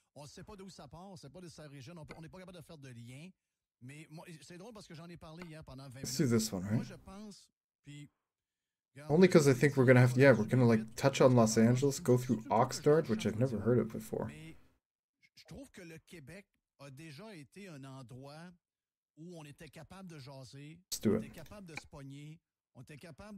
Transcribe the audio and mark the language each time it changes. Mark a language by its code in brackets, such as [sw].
[fr] On sait pas d'où ça part, on sait pas de sa région. On n'est pas capable de faire de lien. Mais moi, c'est drôle parce que j'en ai parlé hier pendant 20 minutes. [en] Let's do this one, right? [fr] Moi, je pense, puis... [en] Only because I think we're going to have, yeah, we're going to like touch on Los Angeles, go through Oxnard, which I've never heard of before. [fr] Je trouve que le Québec a déjà été un endroit où on était capable de jaser, on était capable de se pogner, on était capable.